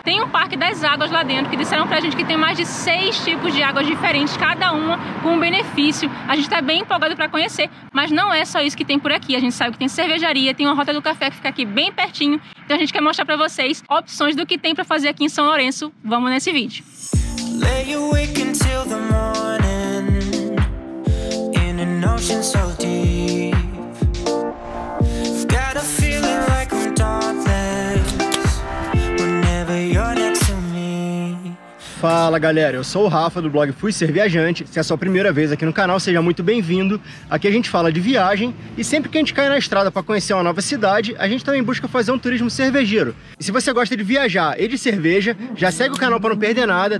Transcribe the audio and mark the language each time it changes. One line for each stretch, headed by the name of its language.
Portuguese: Tem um parque das águas lá dentro que disseram pra gente que tem mais de 6 tipos de águas diferentes, cada uma com um benefício. A gente está bem empolgado para conhecer, mas não é só isso que tem por aqui. A gente sabe que tem cervejaria, tem uma Rota do Café que fica aqui bem pertinho. Então a gente quer mostrar para vocês opções do que tem para fazer aqui em São Lourenço. Vamos nesse vídeo.
English: Lay awake until the morning in an ocean so deep. Got a feeling like I'm dauntless whenever you're next to me.
Portuguese: Fala galera, eu sou o Rafa do blog Fui Ser Viajante. Se é a sua primeira vez aqui no canal, seja muito bem-vindo. Aqui a gente fala de viagem e sempre que a gente cai na estrada para conhecer uma nova cidade, a gente também busca fazer um turismo cervejeiro. E se você gosta de viajar e de cerveja, já segue o canal para não perder nada.